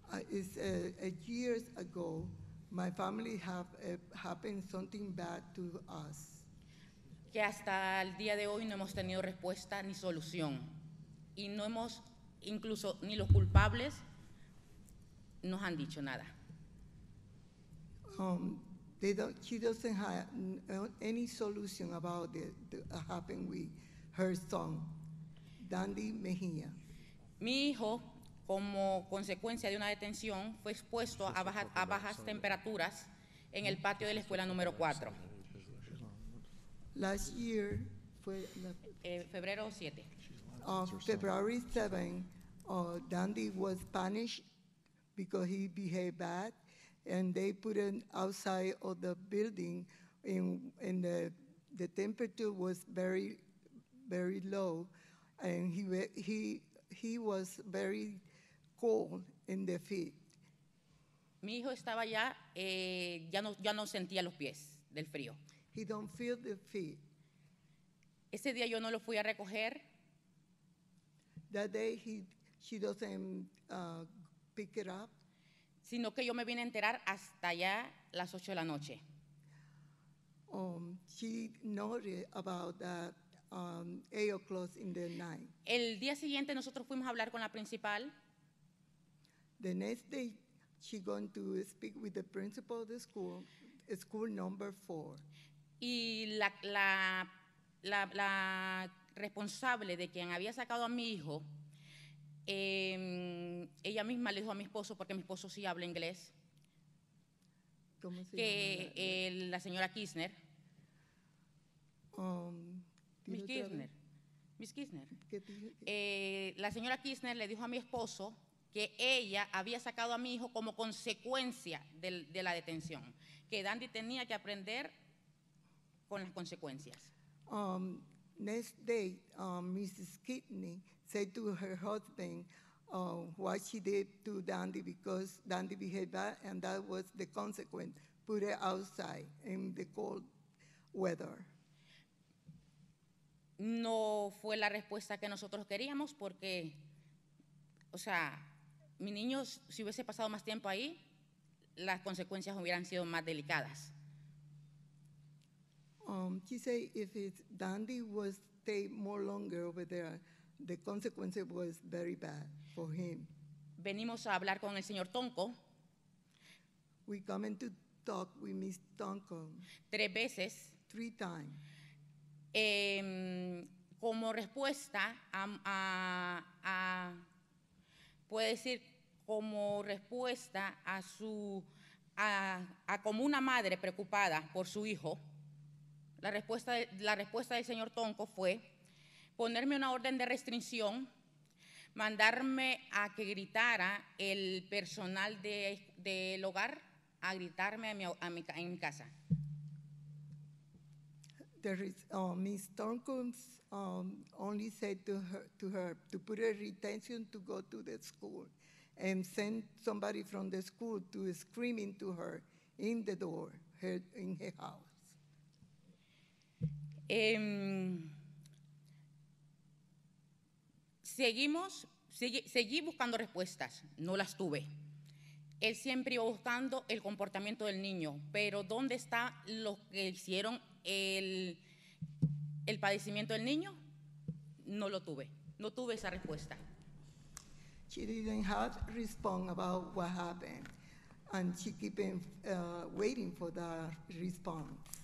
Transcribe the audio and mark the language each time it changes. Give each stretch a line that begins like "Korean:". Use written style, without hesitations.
English: It's years ago, my family have happened something bad to us.
Spanish: Que hasta el día de hoy no hemos tenido respuesta ni solución. Y no hemos, incluso ni los culpables, nos han dicho nada.
English: She doesn't have any solution about it that happened with her son.
Spanish: Dandy Mejía. Mi hijo, como consecuencia de una detención, fue expuesto a bajas temperaturas en el patio de la escuela número 4.
English: Last year, fue
Spanish: febrero 7.
English: February 7, Dandy was punished because he behaved bad, and they put him outside of the building, and the temperature was very, very low. And he was very cold in the feet.
Spanish: Mi hijo estaba ya ya no sentía los pies del frío.
English: He don't feel the feet.
Spanish: Ese día yo no lo fui a recoger.
English: That day she doesn't pick it up.
Spanish: Sino que yo me vine a enterar hasta ya las 8 de la noche.
English: She noted about that. 8 o'clock in the night.
Spanish: El día siguiente nosotros fuimos a hablar con la principal.
English: The next day, she going to speak with the principal of the school, school number 4.
Spanish: Y la responsable de quien había sacado a mi hijo, ella misma le dijo a mi esposo, porque mi esposo sí habla inglés, ¿cómo se que llama? La señora Kirchner.
English: Miss Kirchner.
Spanish: La señora Kirchner le dijo a mi esposo que ella había sacado a mi hijo como consecuencia de la detención, que Dandy tenía que aprender con las consecuencias.
English: Next day, Mrs. Kirchner said to her husband what she did to Dandy because Dandy behaved bad and that was the consequence, put her outside in the cold weather.
Spanish: No fue la respuesta que nosotros queríamos porque, o sea, mi niño, si hubiese pasado más tiempo ahí, las consecuencias hubieran sido más delicadas.
English: She said if Dandy was stay more longer over there, the consequences was very bad for him.
Spanish: Venimos a hablar con el señor Tonko.
English: We come in to talk with Miss Tonko.
Spanish: Tres veces.
English: Three times.
Spanish: Como respuesta a puede decir como respuesta a su a como una madre preocupada por su hijo, la respuesta del señor Tonko fue ponerme una orden de restricción, mandarme a que gritara el personal del hogar a gritarme en mi casa.
English: There is Miss Thorncombe's only said to her to put a retention to go to the school and send somebody from the school to scream into her in the door her, in her house.
Spanish: Seguí buscando respuestas, no las tuve. Él siempre iba buscando el comportamiento del niño, pero ¿dónde está lo que hicieron el padecimiento del niño? No lo tuve, no tuve esa respuesta.
English: She didn't have respond about what happened, and she keep waiting for the response.